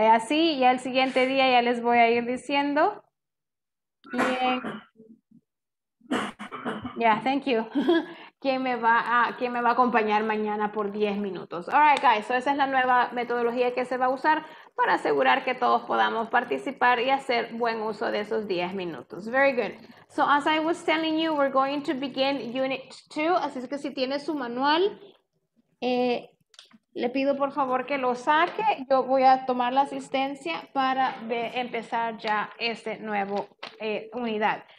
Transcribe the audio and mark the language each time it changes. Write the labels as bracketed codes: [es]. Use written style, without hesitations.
[es] Así, ya el siguiente día ya les voy a ir diciendo. Bien. [en] Yeah, thank you. [es] ¿Quién me va a acompañar mañana por 10 minutos? [en] All right, guys, so [es] esa es la nueva metodología que se va a usar para asegurar que todos podamos participar y hacer buen uso de esos 10 minutos. [en] Very good. So as I was telling you, we're going to begin Unit 2. [es] Así es que si tiene su manual, le pido por favor que lo saque. Yo voy a tomar la asistencia para empezar ya este nuevo unidad.